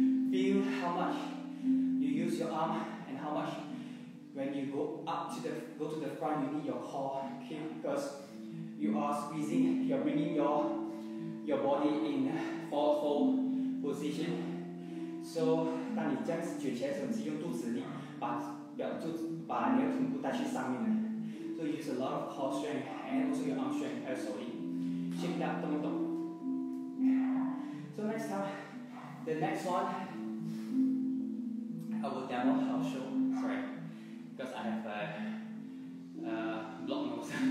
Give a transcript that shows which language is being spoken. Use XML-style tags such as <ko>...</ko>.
<en>Feel how much you use your arm and how much when you go up to the go to the front you need your core, okay? Because you are squeezing, you're bringing your body in forward position.</en> <zh>So, 当你这样子举起来的时候，你是用肚子力把你的臀部带去上面的。</zh> <en>So you use a lot of core strength and also your arm strength as well. Shake it up,</en> <zh>动一动。</zh> <en>So next time, the next one, I will demo how to show. Sorry, because I have a block nose.</en>